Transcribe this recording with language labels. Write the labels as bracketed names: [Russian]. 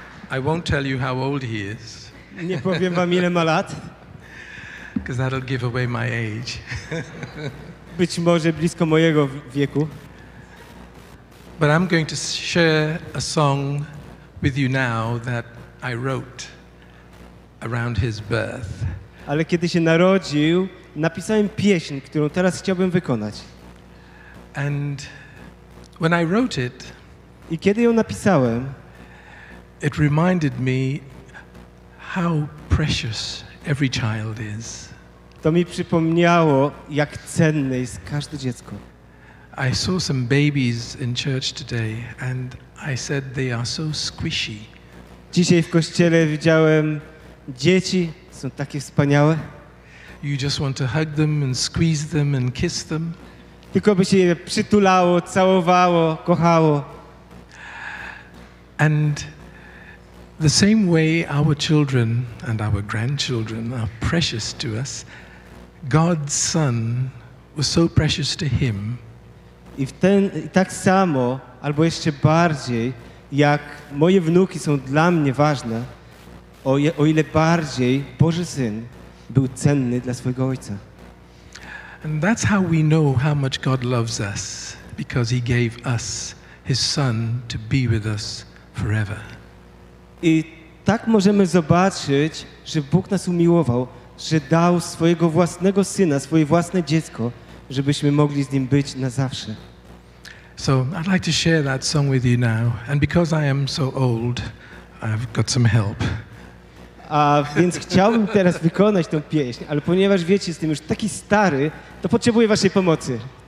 [English] I won't tell you how old he is. [Polish] Nie powiem wam ile ma lat. [English] Because that'll give away my age. [Polish] Być może blisko mojego wieku. [English] But I'm going to share a song with you now that I wrote around his birth. [Polish] Ale kiedy się narodził, napisałem pieśń, którą teraz chciałbym wykonać. [English] And when I wrote it, [Polish] i kiedy ją napisałem, [English] it reminded me how precious every child is. [Polish] To mi przypomniało, jak cenne jest każde dziecko. [English] I saw some babies in church today and I said they are so squishy. [Polish] Dzisiaj w kościele widziałem dzieci, są takie wspaniałe. [English] You just want to hug them and squeeze them and kiss them. [Polish] Tylko by się je przytulało, całowało, kochało. [English] And the same way our children and our grandchildren are precious to us, God's son was so precious to him. [Polish] I tak samo, albo jeszcze bardziej, jak moje wnuki są dla mnie ważne, o ile bardziej Boży Syn był cenny dla swojego Ojca. [English] And that's how we know how much God loves us, because he gave us his son to be with us forever. [Polish] I tak możemy zobaczyć, że Bóg nas umiłował, że dał swojego własnego syna, swoje własne dziecko, żebyśmy mogli z nim być na zawsze. [English] So I'd like to share that song with you now, and because I am so old, I've got some help. [Polish] A więc chciałbym teraz wykonać tę pieśń, ale ponieważ wiecie, jestem już taki stary, to potrzebuję waszej pomocy.